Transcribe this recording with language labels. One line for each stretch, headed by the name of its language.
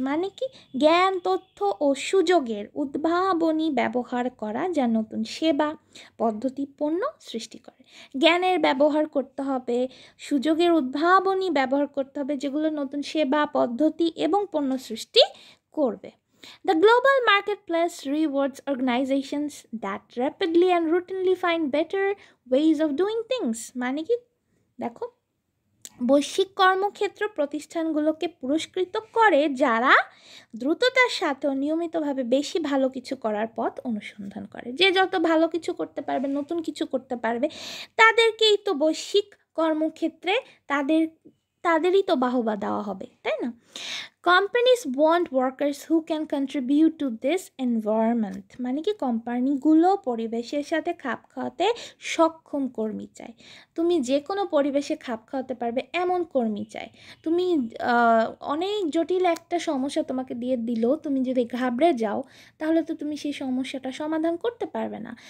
Bangla: মানে কি, জ্ঞান, তথ্য ও সুযোগের উদ্ভাবনী ব্যবহার করা যা নতুন সেবা পদ্ধতি পণ্য সৃষ্টি করে। জ্ঞানের ব্যবহার করতে হবে, সুযোগের উদ্ভাবনী ব্যবহার করতে হবে, যেগুলো নতুন সেবা পদ্ধতি এবং পণ্য সৃষ্টি করবে।
English: The global marketplace rewards organizations that rapidly and routinely find better ways of doing things.
Bangla: মানে কি দেখো, বৈশ্বিক কর্মক্ষেত্র প্রতিষ্ঠানগুলোকে পুরস্কৃত করে যারা দ্রুততার সাথে ও নিয়মিতভাবে বেশি ভালো কিছু করার পথ অনুসন্ধান করে। যে যত ভালো কিছু করতে পারবে, নতুন কিছু করতে পারবে, তাদেরকেই তো বৈশ্বিক কর্মক্ষেত্রে তাদেরই তো বাহবা দেওয়া হবে, তাই না?
English: Companies want workers who can contribute to this environment.
Bangla: মানে কি কোম্পানিগুলো পরিবেশের সাথে খাপ খাওয়াতে সক্ষম কর্মী চাই। তুমি যে কোনো পরিবেশে খাপ খাওয়াতে পারবে এমন কর্মী চাই। তুমি অনেক জটিল একটা সমস্যা তোমাকে দিয়ে দিলো, তুমি যদি ঘাবড়ে যাও তাহলে তো তুমি সেই সমস্যাটা সমাধান করতে পারবে না।